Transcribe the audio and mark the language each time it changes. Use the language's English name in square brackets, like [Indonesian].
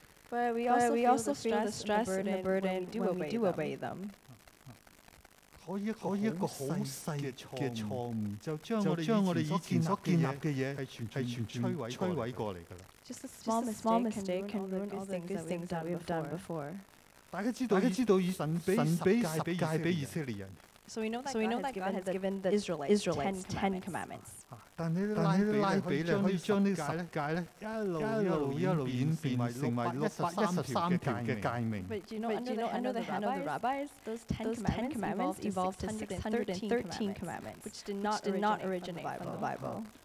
[English] But we also feel the stress and the burden when we do obey them. [Cantonese] 可以一个好细嘅错误，就将我哋以前所建立嘅嘢系全摧毁过嚟噶啦。 [English] Just a small mistake can ruin all the good things that we have done before. [Cantonese] 大家知道以神俾十诫俾以色列人。 [English] So we know that God has given the Israelites ten commandments. But under the hand of the rabbis, those ten commandments evolved to 613 commandments, which did not originate from the Bible.